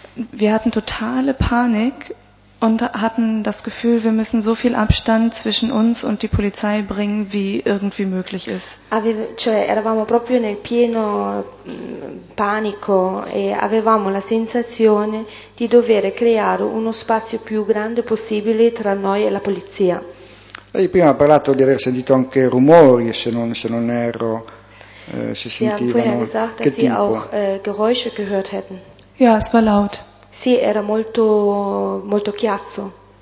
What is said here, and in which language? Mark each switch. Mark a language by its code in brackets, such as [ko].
[de] Wir hatten totale Panik und hatten das Gefühl, wir müssen so viel Abstand zwischen uns und die Polizei bringen, wie irgendwie möglich ist. [it] Cioè eravamo proprio nel pieno panico e avevamo la sensazione di dover creare uno spazio più grande possibile tra noi e la polizia. Lei prima ha parlato di aver sentito anche rumori, se non erro, si sentivano. [de] Sie haben vorher gesagt, dass Sie auch Geräusche gehört hätten. Ja, es war laut. [it] Sì, era molto molto chiasso.